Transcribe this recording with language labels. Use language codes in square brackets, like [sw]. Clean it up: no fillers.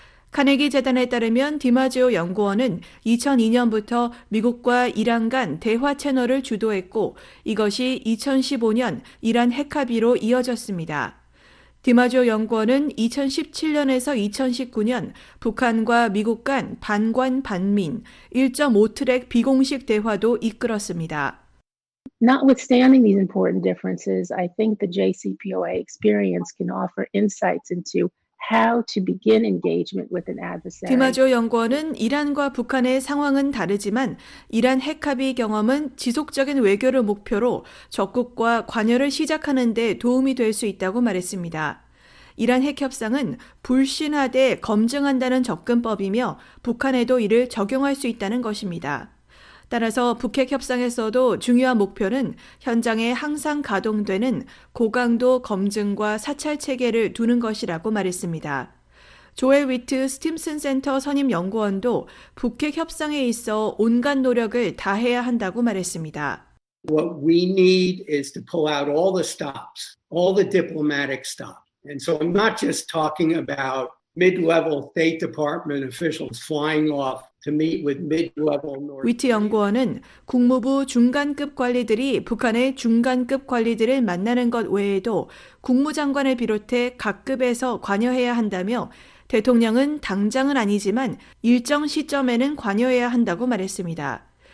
[ko] 카네기 재단에 따르면 디마지오 연구원은 2002년부터 미국과 이란 간 대화 채널을 주도했고 이것이 2015년 이란 핵 합의로 이어졌습니다. 디마지오 연구원은 2017년에서 2019년 북한과 미국 간 반관 반민 1.5트랙 비공식 대화도 이끌었습니다. [en] Notwithstanding these important differences, I think the JCPOA experience can offer insights into how to begin engagement with an adversary. [ko] 디마지오 연구원은 이란과 북한의 상황은 다르지만 이란 핵합의 경험은 지속적인 외교를 목표로 적국과 관여를 시작하는 데 도움이 될 수 있다고 말했습니다. 이란 핵협상은 불신하되 검증한다는 접근법이며 북한에도 이를 적용할 수 있다는 것입니다. 따라서 북핵협상에서도 중요한 목표는 현장에 항상 가동되는 고강도 검증과 사찰 체계를 두는 것이라고 말했습니다. 조엘 위트 스팀슨 센터 선임 연구원도 북핵협상에 있어 온갖 노력을 다해야 한다고 말했습니다. [en] What we need is to pull out all the stops, all the diplomatic stops. And so I'm not just talking about mid-level State Department officials flying off. [ko] 위트 연구원은 국무부 중간급 관리들이 북한의 중간급 관리들을 만나는 것 외에도 국무장관을 비롯해 각 급에서 관여해야 한다며 대통령은 당장은 아니지만 일정 시점에는 관여해야 한다고 말했습니다.